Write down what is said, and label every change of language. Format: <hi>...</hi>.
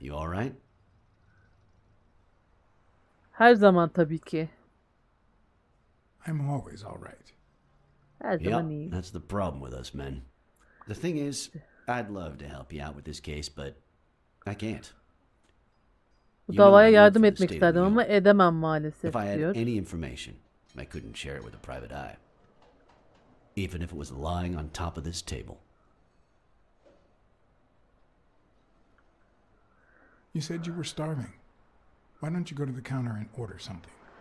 <en>You all right?</en> <tr>Her zaman tabii ki.</tr> <en>I'm always all right. Yeah, that's the problem with us men. The thing is, I'd love to help you out with this case, but I can't.</en> <tr>Bu davaya yardım etmek isterdim ama edemem maalesef diyor.</tr> <en>If I had any information, I couldn't share it with a private eye. Even if it was lying on top of this table. You said you were starving. Why don't you go to the counter and order something?</en>